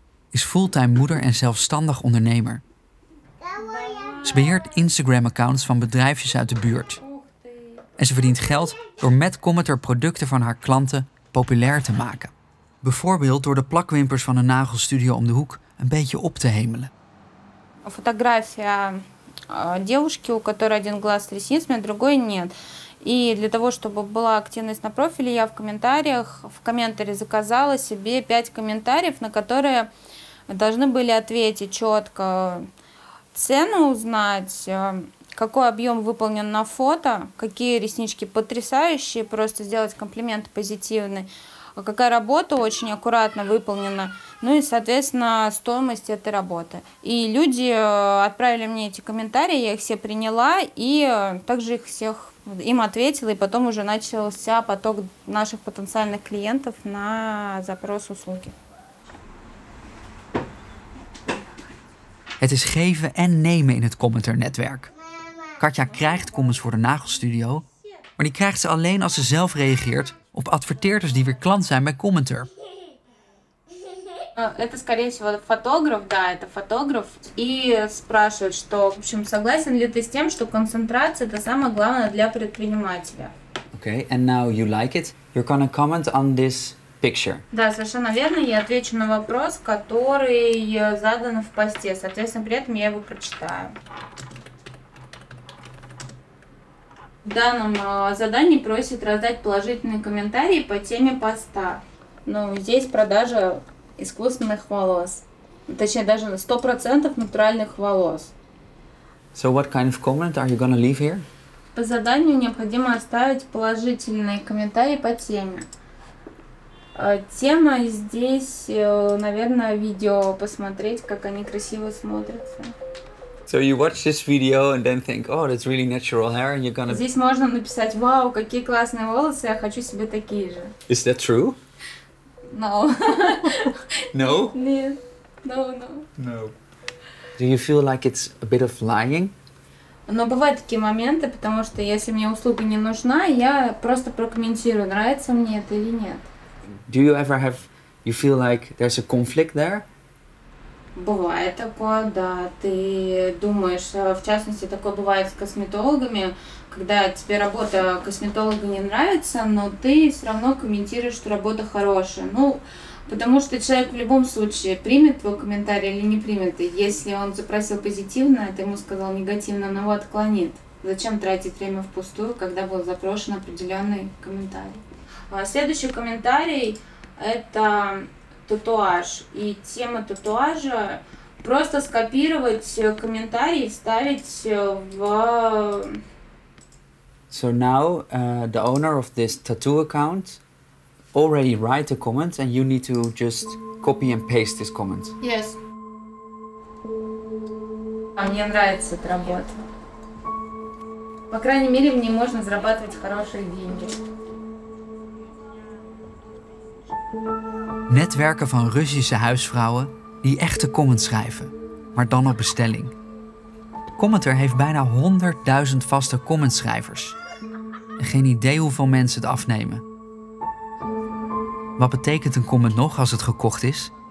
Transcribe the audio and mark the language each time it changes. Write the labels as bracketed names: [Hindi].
[Dutch] Is fulltime moeder en zelfstandig ondernemer. Ze beheert Instagram-accounts van bedrijfjes uit de buurt. En ze verdient geld door met Commenter producten van haar klanten populair te maken. Bijvoorbeeld door de plakwimpers van een nagelstudio om de hoek een beetje op te hemelen. [Russian] Фотография девушки, у которой один глаз с ресницами, а другой нет. И для того, чтобы была активность на профиле, я в комментарии заказала себе 5 комментариев, на которые должны были ответить четко цену узнать, какой объем выполнен на фото, какие реснички потрясающие, просто сделать комплимент позитивный. Какая работа очень аккуратно выполнена, ну и, соответственно, стоимость этой работы. И люди отправили мне эти комментарии, я их все приняла и также их всех им ответила. И потом уже начался поток наших потенциальных клиентов на запрос услуги. [Dutch] Het is geven en nemen in het commenternetwerk. Katja krijgt comments voor de nagelstudio, maar die krijgt ze alleen als ze zelf reageert op adverteerders die weer klant zijn bij Commenter. [Russian] Это скорее всего фотограф, да, это фотограф и спрашивает, что, в общем, согласен ли ты с тем, что концентрация это самое главное для предпринимателя. [English] Okay, and now you like it. You're gonna comment on this picture. [Russian] Да, совершенно верно. Я отвечу на вопрос, который задан в посте. Соответственно, при этом я его прочитаю. В данном задании просит раздать положительные комментарии по теме поста. Ну, здесь продажа искусственных волос. Точнее, даже 100% натуральных волос. [English] So what kind of comment are you gonna leave here? [Russian] По заданию необходимо оставить положительные комментарии по теме. Тема здесь, наверное, видео посмотреть, как они красиво смотрятся. [English] So you watch this video and then think, oh, that's really natural hair, and you're gonna... [Russian] Здесь можно написать, вау, какие классные волосы, я хочу себе такие же. [English] Is that true? No. No? No. Do you feel like it's a bit of lying? [Russian] Но бывают такие моменты, потому что если мне услуга не нужна, я просто прокомментирую, нравится мне это или нет. [English] Do you ever have, you feel like there's a conflict there? [Russian] Бывает такое, да. Ты думаешь, в частности, такое бывает с косметологами, когда тебе работа косметолога не нравится, но ты все равно комментируешь, что работа хорошая. Ну, потому что человек в любом случае примет твой комментарий или не примет. И если он запросил позитивно, а ты ему сказал негативно, он его отклонит. Зачем тратить время впустую, когда был запрошен определенный комментарий? Следующий комментарий – это... Татуаж. И тема татуажа – просто скопировать комментарий и ставить в... [English] So now the owner of this tattoo account already write a comment and you need to just copy and paste this comment. Yes. [Russian] А мне нравится эта работа. По крайней мере, мне можно зарабатывать хорошие деньги. [Dutch] Netwerken van Russische huisvrouwen die echte comments schrijven, maar dan op bestelling. Commenter heeft bijna 100.000 vaste commentschrijvers. Geen idee hoeveel mensen het afnemen. Wat betekent een comment nog als het gekocht is?